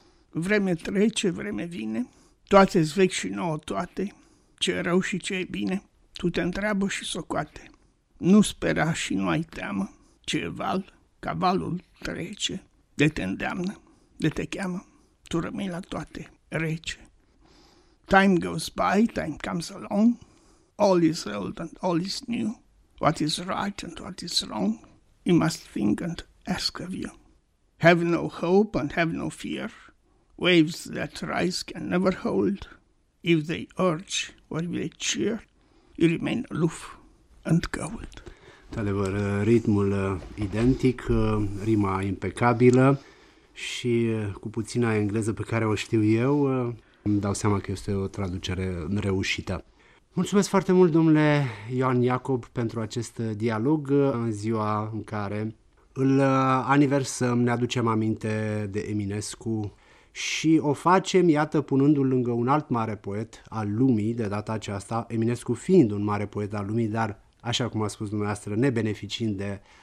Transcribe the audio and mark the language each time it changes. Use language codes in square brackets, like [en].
[ro] Vreme trece, vreme vine, toate-s vechi și nouă toate, ce rău și ce e bine, tu te întreabă și socoate. Nu spera și nu ai teamă, ce e val, ca valul trece, de te îndeamnă, de te cheamă, tu rămâi la toate, rece. [en] Time goes by, time comes along, all is old and all is new. What is right and what is wrong, you must think and ask of you. Have no hope and have no fear. Waves that rise can never hold. If they urge or if they cheer, you remain aloof and cold. [ro] Într-adevăr, ritmul identic, rima impecabilă și cu puțina engleză pe care o știu eu, îmi dau seama că este o traducere reușită. Mulțumesc foarte mult, domnule Ioan Iacob, pentru acest dialog în ziua în care îl aniversăm, ne aducem aminte de Eminescu și o facem, iată, punându-l lângă un alt mare poet al lumii de data aceasta, Eminescu fiind un mare poet al lumii, dar, așa cum a spus dumneavoastră, nebeneficiind de